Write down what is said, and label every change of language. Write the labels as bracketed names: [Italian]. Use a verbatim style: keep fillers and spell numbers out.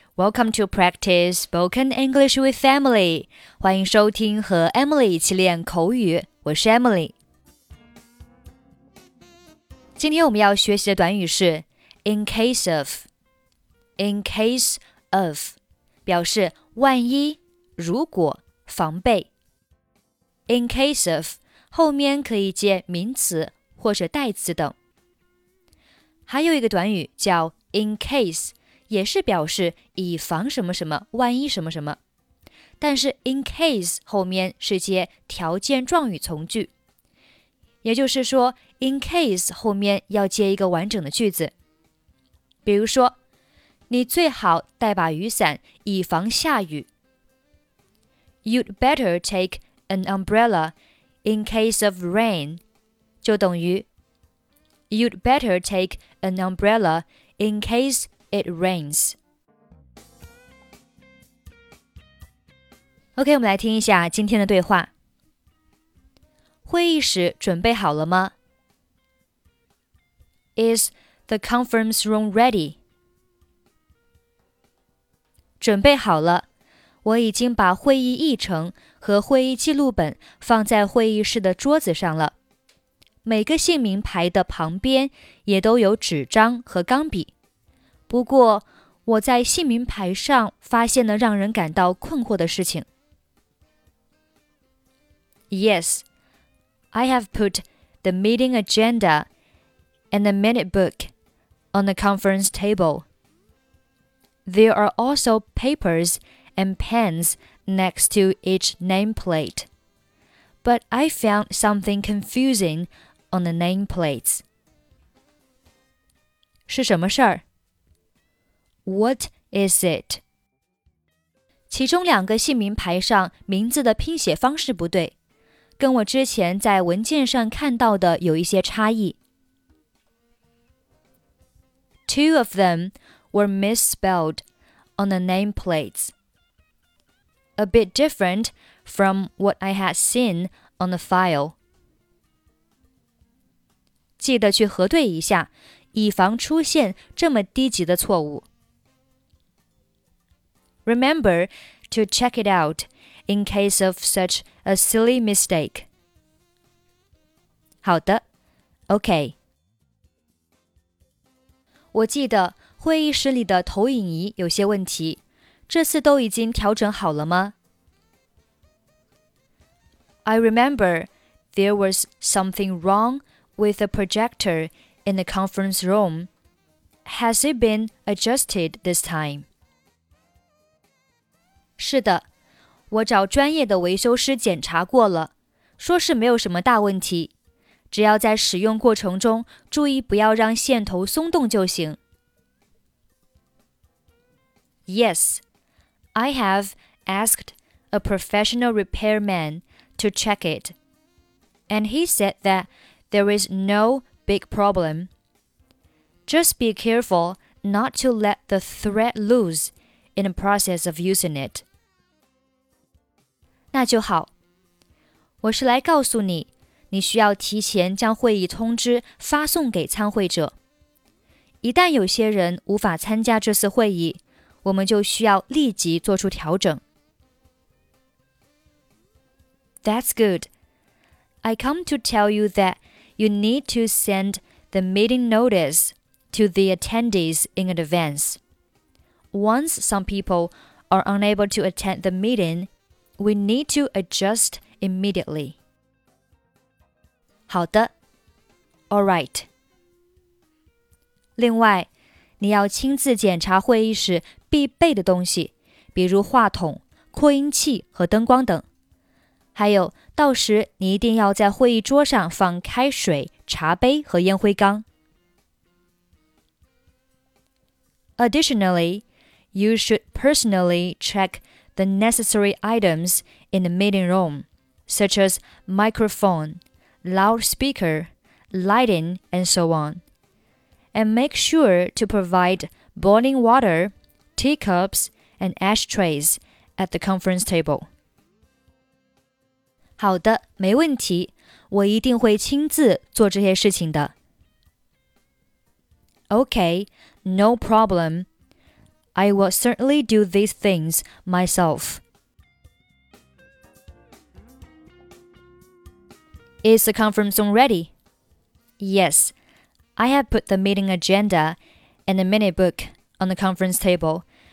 [English] Welcome to practice spoken English with Emily. [Chinese] 欢迎收听和 Emily 一起练口语，我是 Emily。今天我们要学习的短语是 in case of。 in case of 表示万一、如果、防备。 in case of 后面可以接名词或者代词等。还有一个短语叫 in case， 也是表示以防什么什么，万一什么什么。但是 in case 后面是接条件状语从句，也就是说 in case 后面要接一个完整的句子。比如说，你最好带把雨伞，以防下雨。 [English] You'd better take an umbrella in case of rain， [Chinese] 就等于 [English] You'd better take an umbrella in case it rains. [Chinese] OK, 我们来听一下今天的对话。会议室准备好了吗？ [English] Is the conference room ready? [Chinese] 准备好了，我已经把会议议程和会议记录本放在会议室的桌子上了。每个姓名牌的旁边也都有纸张和钢笔。不过，我在姓名牌上发现了让人感到困惑的事情。 [English] Yes, I have put the meeting agenda and the minute book on the conference table. There are also papers and pens next to each nameplate. But I found something confusing. On the nameplates. [Chinese] 是什么事儿？ [English] What is it? [Chinese] 其中两个姓名牌上名字的拼写方式不对，跟我之前在文件上看到的有一些差异。 [English] Two of them were misspelled on the nameplates. A bit different from what I had seen on the file. [Chinese] 记得去核对一下，以防出现这么低级的错误。 [English] Remember to check it out in case of such a silly mistake. [Chinese] 好的 [English] ，OK。 [Chinese] 我记得会议室里的投影仪有些问题，这次都已经调整好了吗？ [English] I remember there was something wrong. With a projector in the conference room, has it been adjusted this time? [Chinese] 是的，我找专业的维修师检查过了，说是没有什么大问题，只要在使用过程中注意不要让线头松动就行。 [English] Yes, I have asked a professional repairman to check it, and he said that. There is no big problem. Just be careful not to let the thread loose in the process of using it. [Chinese] 那就好。我是来告诉你，你需要提前将会议通知发送给参会者。一旦有些人无法参加这次会议，我们就需要立即做出调整。 [English] That's good. I come to tell you that. You need to send the meeting notice to the attendees in advance. Once some people are unable to attend the meeting, we need to adjust immediately. [Chinese] 好的 [English] ，All right. [Chinese] 另外，你要亲自检查会议室必备的东西，比如话筒、扩音器和灯光等。还有，到时你一定要在会议桌上放开水、茶杯和烟灰缸。 [English] Additionally, you should personally check the necessary items in the meeting room, such as microphone, loudspeaker, lighting, and so on. And make sure to provide boiling water, teacups, and ashtrays at the conference table. [Chinese] 好的，没问题，我一定会亲自做这些事情的。 [English] Okay, no problem. I will certainly do these things myself. Is the conference room ready? Yes, I have put the meeting agenda and a minute book on the conference table.